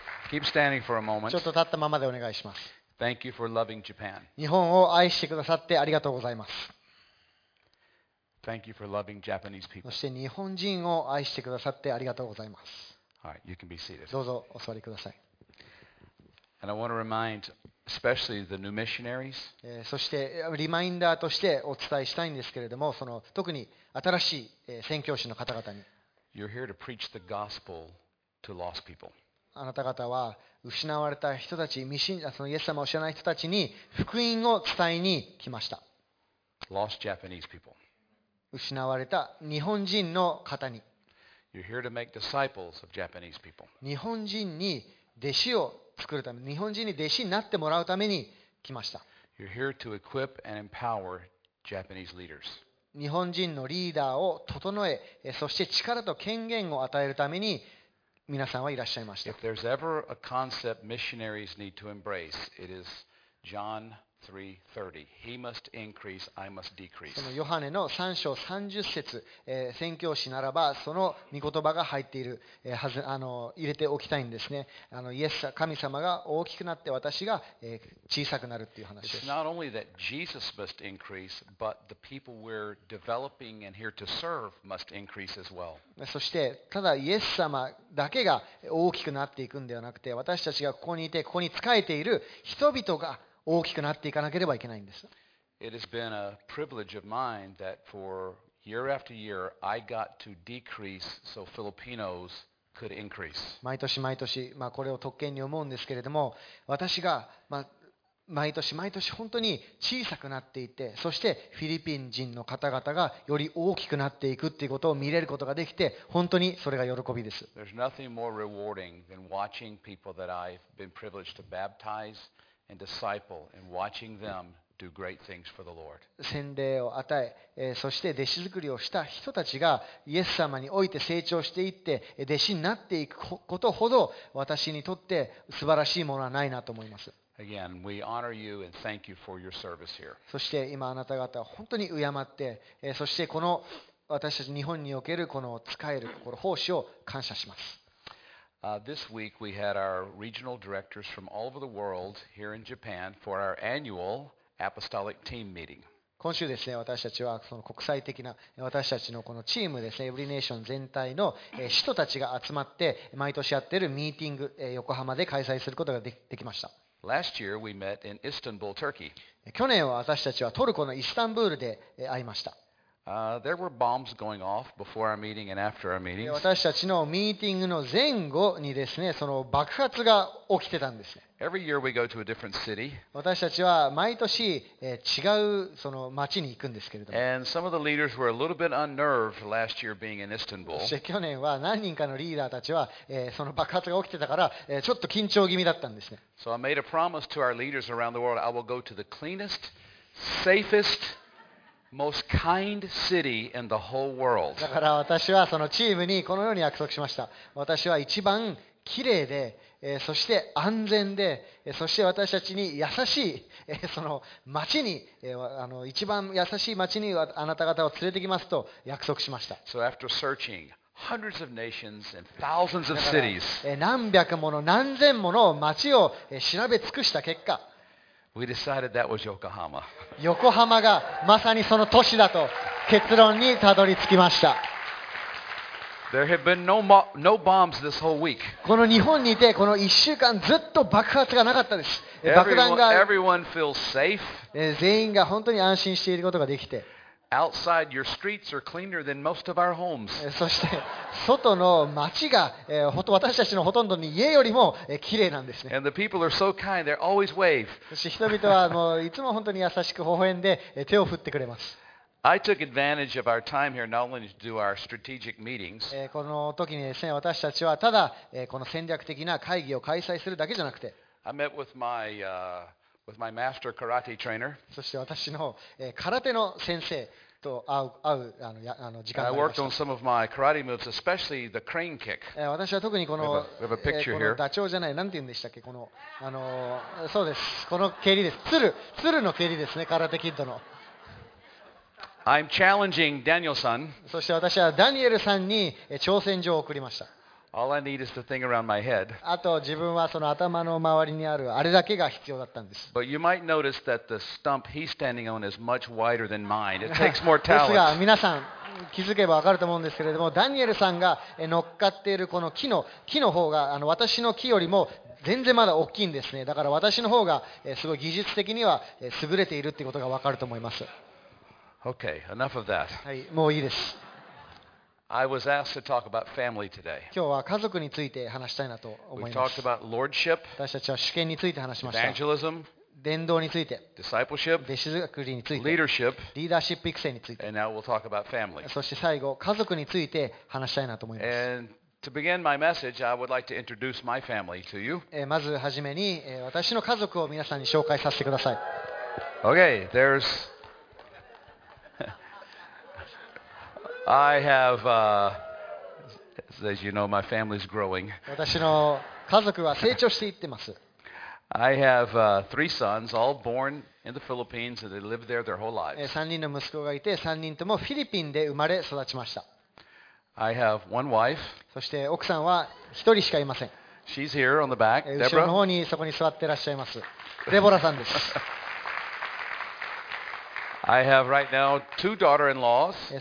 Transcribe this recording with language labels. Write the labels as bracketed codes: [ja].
[en] Keep standing for a moment. [ja] ちょっと立ったままでお願いします。 [en] Thank you for loving Japan. [ja] 日本を愛してくださってありがとうございます。 [en] Thank you for loving Japanese people. [ja] そして日本人を愛してくださってありがとうございます。 [en] All right, you can be seated. [ja] どうぞお座りください。 [en] And I want to remind especially the new missionaries. [ja] そしてリマインダーとしてお伝えしたいんですけれども、その特に新しい宣教師の方々に。 [en] You're here to preach the gospel to lost people. [ja] あなた方は失われた人たち、未信者、そのイエス様を知らない人たちに福音を伝えに来ました。 [en] Lost Japanese people. [ja] 失われた日本人の方に。 [en] You're here to make disciples of Japanese people. [ja] 日本人に弟子を作るため、日本人に弟子になってもらうために来ました。 [en] You're here to equip and empower Japanese leaders. [ja] 日本人のリーダーを整え、そして力と権限を与えるために。皆さんはいらっしゃいました。 [en] If there's ever a concept missionaries need to embrace, it is John 3:30. He must increase, I must decrease. [ja] そのヨハネの3章30節、宣教師ならばその御言葉が入っている、はず、入れておきたいんですね。イエス、神様が大きくなって私が、小さくなるっていう話です。 [en] It's not only that Jesus must increase, but the people we're developing and here to serve must increase as well. [ja] そしてただイエス様だけが大きくなっていくんではなくて、私たちがここにいてここに仕えている人々が大きくなっていかなければいけないんです。 [en] It has been a privilege of mine that for year after year I got to decrease so Filipinos could increase. [ja] 毎年毎年、これを特権に思うんですけれども、私が、毎年毎年本当に小さくなっていて、そしてフィリピン人の方々がより大きくなっていくっていうことを見れることができて、本当にそれが喜びです。 [en] There's nothing more rewarding than watching people that I've been privileged to baptize and disciple and watching them do great things for the Lord. [ja] 洗礼を与え、そして弟子作りをした人たちがイエス様において成長していって弟子になっていくことほど、私にとって素晴らしいものはないなと思います。 [en] Again, we honor you and thank you for your service here. [ja] そして今あなた方は本当に敬って、そしてこの私たち日本におけるこの使える心奉仕を感謝します。 [en] This week we had our regional directors from all over the world here in Japan for our annual apostolic team meeting. [ja] 今週ですね、私たちはその国際的な私たちのこのチームですね、Every Nation全体の使徒たちが集まって毎年やっているミーティング、横浜で開催することができました。 [en] Last year we met in Istanbul, Turkey. [ja] 去年は私たちはトルコのイスタンブールで会いました。 [en] There were bombs going off before our meeting and after our meeting. [ja] 私たちのミーティングの前後にですね、その爆発が起きてたんですね。 [en] Every year we go to a different city. [ja] 私たちは毎年違うその町に行くんですけれども。 [en] And some of the leaders were a little bit unnerved last year being in Istanbul. [ja] 去年は何人かのリーダーたちはその爆発が起きてたからちょっと緊張気味だったんですね。 [en] So I made a promise to our leaders around the world. I will go to the cleanest, safest. Most kind city in the whole world. [ja] だから私はそのチームにこのように約束しました。私は一番きれいで、そして安全で、そして私たちに優しい、その町に、一番優しい町にあなた方を連れてきますと約束しました。 [en] So after searching hundreds of nations and thousands of cities, [ja] 何百もの何千もの町を調べ尽くした結果、 [en] We decided that was Yokohama. [ja] 横浜がまさにその都市だと結論にたどり着きました。 [en] There have been no bombs this whole week. [ja] この日本にいてこの1週間ずっと爆発がなかったです。爆弾が。 [en] Everyone feels safe. [ja] 全員が本当に安心していることができて。 [en] Outside, your streets are cleaner than most of our homes. [ja] そして外の街が、私たちのほとんどに家よりも綺麗なんですね。 [en] And the people are so kind, they're always wave. [ja] そして人々はもういつも本当に優しく微笑んで手を振ってくれます。 [en] I took advantage of our time here not only to do our strategic meetings. [ja] この時にですね、私たちはただこの戦略的な会議を開催するだけじゃなくて、 [en] I met with my, with my master karate trainer. [ja] そして私の空手の先生と会う時間がありました。 [en] I worked on some of my karate moves, especially the crane kick. [ja] 私は特にこの、このダチョウじゃない、なんて言うんでしたっけ、この、そうです、この蹴りです。鶴の蹴りですね、空手キッドの。 [en] I'm challenging Daniel-san. [ja] そして私はダニエルさんに挑戦状を送りました。 [en] All I need is the thing around my head. [ja] あと自分はその頭の周りにあるあれだけが必要だったんです。 [en] But you might notice that the stump he's standing on is much wider than mine. It takes more talent. [ja] ですが皆さん気づけばわかると思うんですけれども、ダニエルさんが乗っかっているこの木の方が私の木よりも全然まだ大きいんですね。だから私の方がすごい技術的には優れているということがわかると思います。 [en] Okay, enough of that. [ja] はい、もういいです。 [en] I was asked to talk about family today. [ja] 今日は家族について話したいなと思います。 [en] We talked about lordship. [ja] 私たちは主権について話しました。 [en] Evangelism. [ja] 伝道について、 [en] Discipleship, [ja] 弟子作りについて、 [en] Leadership, [ja] リーダーシップ育成について、 [en] and now we'll talk about family. [ja] そして最後、家族について話したいなと思います。 [en] And to begin my message, I would like to introduce my family to you. [ja] まずはじめに、私の家族を皆さんに紹介させてください。 [en] Okay, there's... I have... As you know, my family's growing. [ja] 私の家族は成長していってます。 [en] I have three sons, all born in the Philippines, and they lived there their whole lives. [ja] 3人の息子がいて、3人ともフィリピンで生まれ育ちました。 [en] I have one wife. [ja] そして奥さんは一人しかいません。 [en] She's here on the back, Deborah. [ja] 後ろの方にそこに座ってらっしゃいます。デボラさんです。 [en] I have right now two daughter-in-laws.